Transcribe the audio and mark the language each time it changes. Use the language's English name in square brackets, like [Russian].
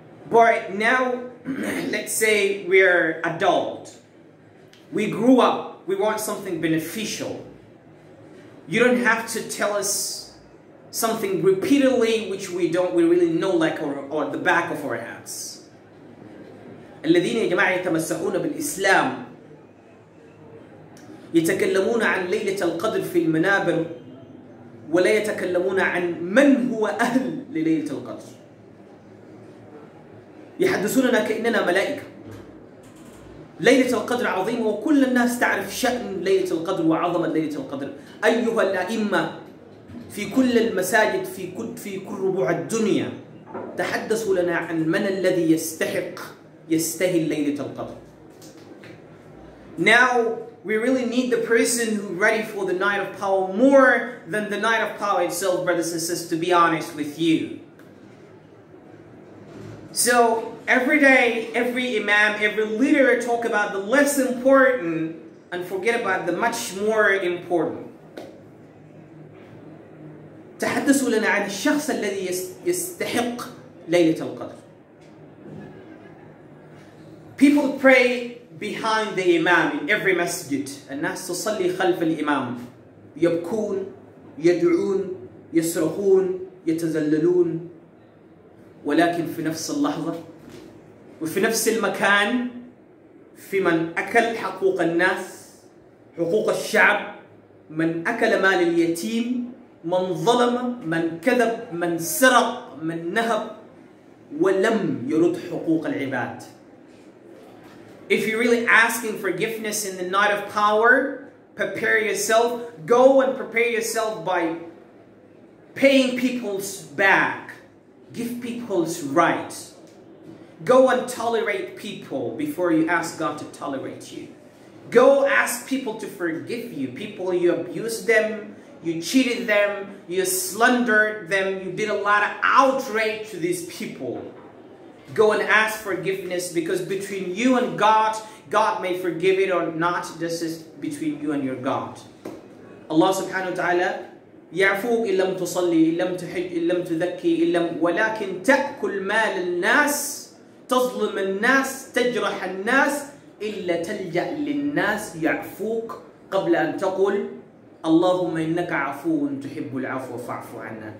[English] But now, let's say we're adult. We grew up, we want something beneficial. You don't have to tell us something repeatedly which we really know like or the back of our hands. [Arabic] الَّذِينَ يَجْمَعَ يَتَمَسَّحُونَ بِالْإِسْلَامِ يَتَكَلَّمُونَ عَنْ لَيْلَةَ الْقَدْرِ فِي الْمَنَابِرِ وَلَا يَتَكَلَّمُونَ عَنْ مَنْ هُوَ أَهْلُ لِلَيْلَةَ الْقَدْرِ يَحَدُّثُونَنَا كَأَنَّنَا مَلَائِكَةٌ ليلة القدر عظيم وكل الناس تعرف شأن ليلة القدر وعظمة ليلة القدر أيها الأئمة في كل المساجد في كل ربوع الدنيا تحدثوا لنا عن من الذي يستهل ليلة القدر. [English] Now we really need the person who ready for the Night of Power more than the Night of Power itself, brothers and sisters, to be honest with you. So every day, every imam, every leader talk about the less important and forget about the much more important. [Arabic] تحدثوا لنا عن الشخص الذي يستحق ليلة القدر. People pray behind the imam in every masjid. الناس تصلي خلف الإمام. يبكون, يدعون, يصرخون, يتذللون. ولكن في نفس اللحظة وفي نفس المكان في من أكل حقوق الناس حقوق الشعب من أكل مال اليتيم من ظلم من كذب من سرق من نهب ولم يرد حقوق العباد. [English] If you're really asking forgiveness in the Night of Power, prepare yourself, go and prepare yourself by paying people's back, give people's rights. Go and tolerate people before you ask God to tolerate you. Go ask people to forgive you. People, you abused them, you cheated them, you slandered them, you did a lot of outrage to these people. Go and ask forgiveness, because between you and God, God may forgive it or not. This is between you and your God. [Arabic] Allah subhanahu wa ta'ala, يعفوك إن لم تصلي إن لم تحج إن لم تذكي إن لم ولكن تأكل مال الناس تظلم الناس تجرح الناس إلا تلجأ للناس يعفوك قبل أن تقول اللهم إنك عفو تحب العفو فاعف عنا.